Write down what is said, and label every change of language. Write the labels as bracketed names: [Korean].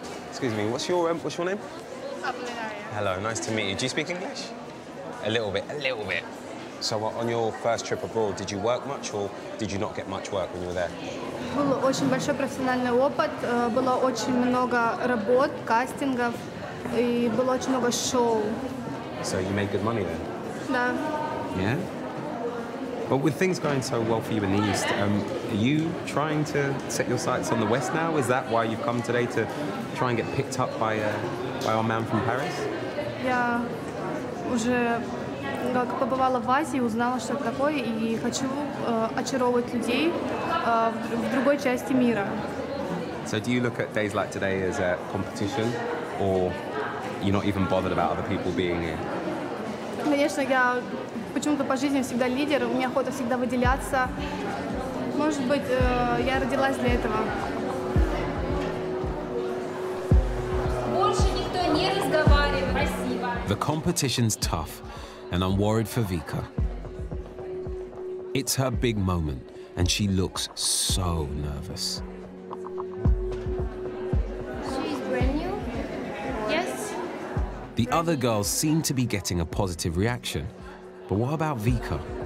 [English] Excuse me, what's your name? Hello, nice to meet you. Do you speak English? A little bit, a little bit. So on your first trip abroad, did you work much or did you not get much work when you were there? [Russian] Был очень большой профессиональный опыт, было очень много работ, кастингов, и было очень много шоу. [English] So you made good money then? [Russian] Да. [English] Yeah? But with things going so well for you in the East, are you trying to set your sights on the West now? Is that why you've come today to try and get picked up by our man from Paris? [Russian] Я уже как побывала в Азии, узнала, что это такое, и хочу очаровывать людей в другой части мира. [English] So do you look at days like today as a competition, or you're not even bothered about other people being here? [Russian] Конечно, я почему-то по жизни всегда лидер, мне охота всегда выделяться. Может быть, я родилась для этого. Больше никто не разговаривает. Спасибо. [English] The competition's tough, and I'm worried for Vika. It's her big moment, and she looks so nervous. She's brand new? Yes. The brand other girls seem to be getting a positive reaction, but what about Vika?